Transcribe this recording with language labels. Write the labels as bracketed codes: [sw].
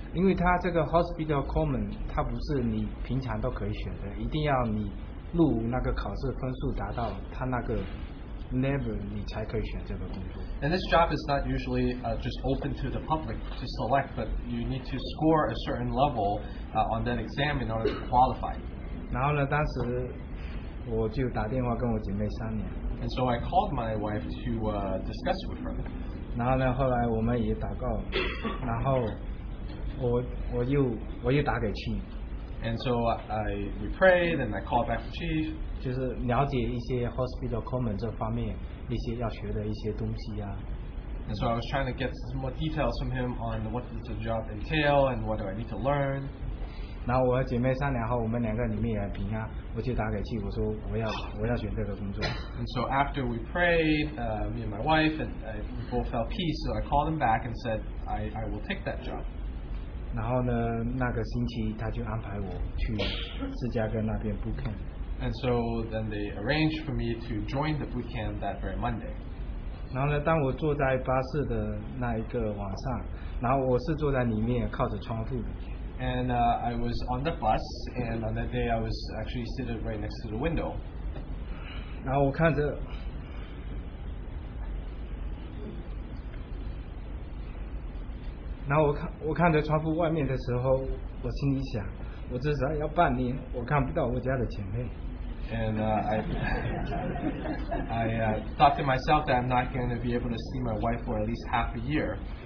[zh] 因为他这个 hospital Coleman, 他不是你平常都可以选的，一定要你录那个考试分数达到他那个。 [en] Never, [zh] 你才可以选这个工作。 [en] And this job is not usually just open to the public to select, but you need to score a certain level on that exam in order to qualify. [zh] 然后呢，当时我就打电话跟我姐妹商量。 [en] And so I called my wife to discuss with her. [zh] 然后呢，后来我们也祷告，然后我又打给 Chief。 [en] And so we prayed, and I called back the chief. [zh] 就是了解一些 hospital common 这方面一些要学的一些东西啊。 [en] And so I was trying to get some more details from him on what does the job entail and what do I need to learn. [zh] 然后我和姐妹商量后，我们两个里面也很平安，我就打给chief，我说我要选这个工作。 [en] And so after we prayed, me and my wife and we both felt peace. So I called him back and said I will take that job. [zh] 然后呢，那个星期他就安排我去芝加哥那边 boot camp. [en] And so then they arranged for me to join the boot camp that very Monday. [zh] 然后呢，当我坐在巴士的那一个晚上，然后我是坐在里面靠着窗户的。 [en] And I was on the bus, and on that day I was actually seated right next to the window. [zh] 然后我看着。然后我看着窗户外面的时候，我心里想，我至少要半年，我看不到我家的姐妹。 [en] And I thought to myself that I'm not going to be able to see my wife for at least half a year.